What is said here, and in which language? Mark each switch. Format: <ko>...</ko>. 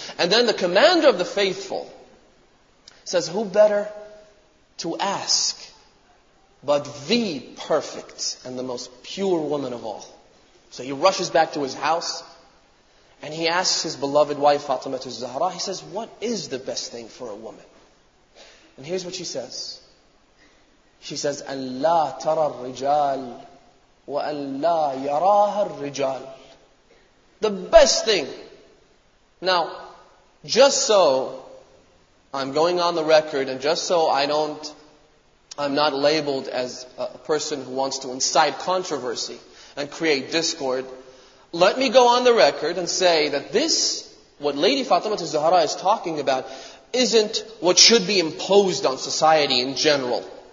<en>And then the commander of the faithful says, who better to ask but the perfect and the most pure woman of all? So he rushes back to his house, and he asks his beloved wife, Fatima al-Zahra, he says, what is the best thing for a woman? And here's what she says. She says,</en> <ar>أَلَّا تَرَى الرِّجَالِ وَأَلَّا يَرَاهَا الرِّجَالِ.</ar> <en>The best thing. Now, just so I'm going on the record, and just so I'm not labeled as a person who wants to incite controversy and create discord, let me go on the record and say that this, what Lady Fatima al-Zahra is talking about, isn't what should be imposed on society in general.</en>